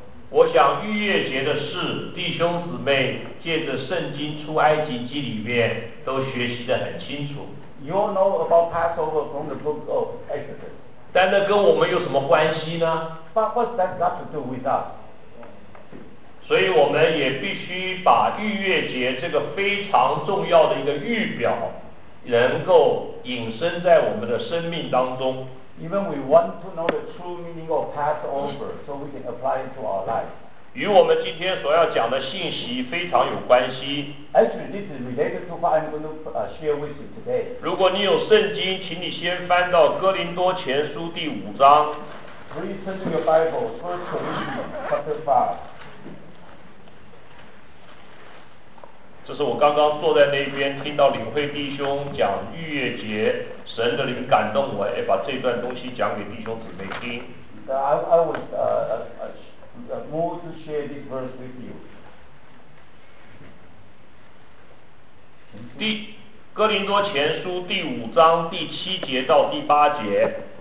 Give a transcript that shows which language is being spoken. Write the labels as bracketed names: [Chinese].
[Chinese] 我想逾越节的事，弟兄姊妹借着圣经出埃及记里面都学习得很清楚。 [English] You all know about Passover from the book of Exodus. [Chinese] 但那跟我们有什么关系呢？ [English] But what's that got to do with us? [Chinese] 所以我们也必须把逾越节这个非常重要的一个预表能够引申在我们的生命当中。 [English] Even we want to know the true meaning of Passover so we can apply it to our life. [Chinese] 与我们今天所要讲的信息非常有关系。 [English] Actually, this is related to what I'm going to share with you today. [Chinese] 如果你有圣经，请你先翻到哥林多前书第五章。 [English] Please turn to your Bible, First Corinthians chapter 5. [Chinese] 这是我刚刚坐在那边听到领会弟兄讲逾越节，神的灵感动我，把这段东西讲给弟兄姊妹听。 [English] I would move to share this verse with you. [Chinese] 第哥林多前书第五章第七节到第八节。